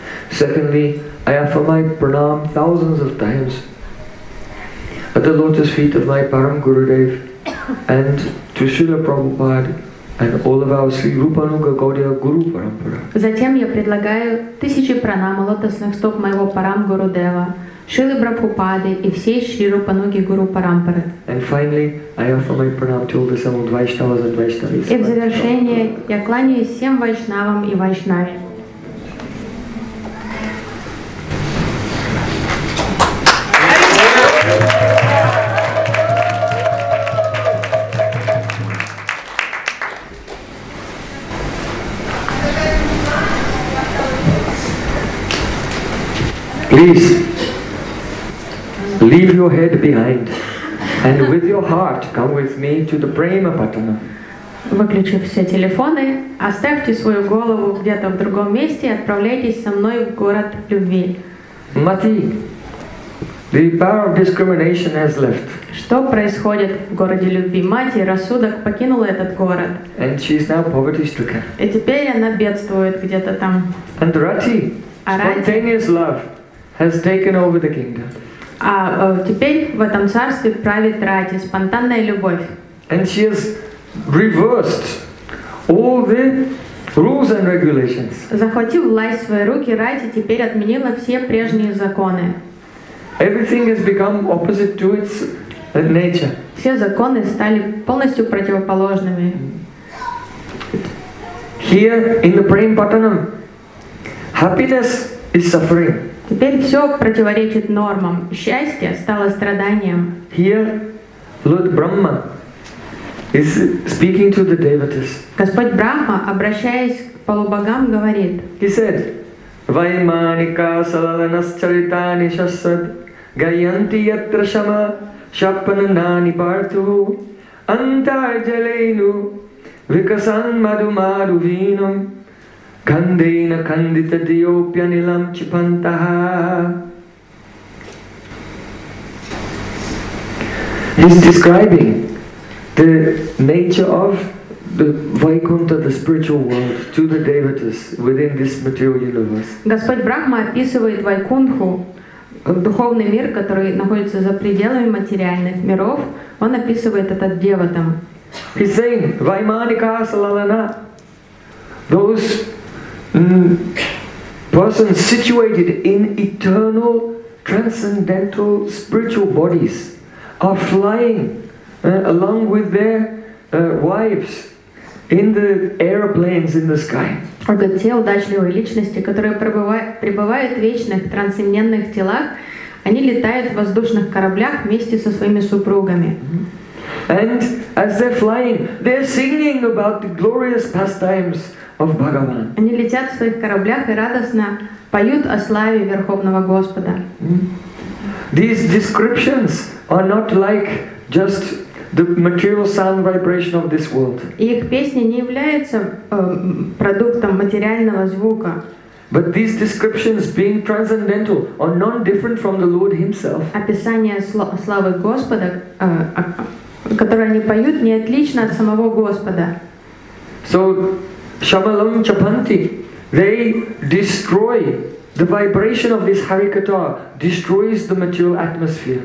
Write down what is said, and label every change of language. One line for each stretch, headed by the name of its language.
English: Secondly, I offer my pranam thousands of times at the lotus feet of my Param Gurudev and to Srila Prabhupada and all of our Sri Rupanuga Gaudiya Guru Parampara.
Russian: Затем я предлагаю тысячи пранам лотосных стоп моего Парам Гуру Дева, Шрилы Прабхупады и всей Шри Рупануги Гуру Парампары.
English: And finally, I offer my pranam to all the seven Vaishnavas and Vaishnavis.
Russian: И в завершение я кланяюсь всем Вайшнавам и Вайшнаве.
English: Please leave your head behind and with your heart come with me to the Prema Patana.
Russian: Выключи все телефоны, оставьте свою голову где-то в другом месте и отправляйтесь со мной в город любви.
English: Mati, the power of discrimination has left.
Russian: Что происходит в городе любви? Мати, рассудок покинул этот город.
English: And she is now poverty-stricken.
Russian: И теперь она бедствует где-то там.
English: And Rati, spontaneous love, has taken over the kingdom.
Russian: А теперь в этом царстве правит Рати, спонтанная любовь.
English: And she has reversed all the rules and regulations.
Russian: Захватив власть в свои руки, Рати теперь отменила все прежние законы.
English: Everything has become opposite to its nature.
Russian: Все законы стали полностью противоположными.
English: Here in the Prempattanam, happiness is suffering.
Russian: Теперь все противоречит нормам. Счастье стало страданием.
English: Here, Lord Brahma is speaking to the devotees.
Russian: Господь Брахма, обращаясь к полубогам, говорит.
English: He said,
Sanskrit: Vaimanika salalanascharitani shasat gayanti yatra shama shapananani partu antarjaleinu vikasan madumaruvinam Kandena kandita diopya nilam chipantaha.
English: He's describing the nature of the Vaikuntha, the spiritual world, to the devotees within this material universe.
Russian: Господь Брахма описывает Вайкунху, духовный мир, который находится за пределами материальных миров. Он описывает этот деватам.
English: He's saying,
Sanskrit: Vaimanika salalana,
English: those persons situated in eternal, transcendental, spiritual bodies are flying along with their wives in the aeroplanes in the sky.
Russian: Это те удачливые личности, которые пребывают в вечных, трансцендентных телах, они летают в воздушных кораблях вместе со своими супругами.
English: And as they're flying, they're singing about the glorious pastimes of Bhagavan.
Russian: Они летят в своих кораблях и радостно поют о славе Верховного Господа.
English: These descriptions are not like just the material sound vibration of this world.
Russian: Их песни не являются продуктом материального звука.
English: But these descriptions, being transcendental, are not different from the Lord Himself.
Russian: Описание славы Господа, которые они поют, не отлично от самого Господа.
English: So,
Sanskrit: Shamalam Chapanti,
English: they destroy the vibration of this Harikata, destroys the material atmosphere.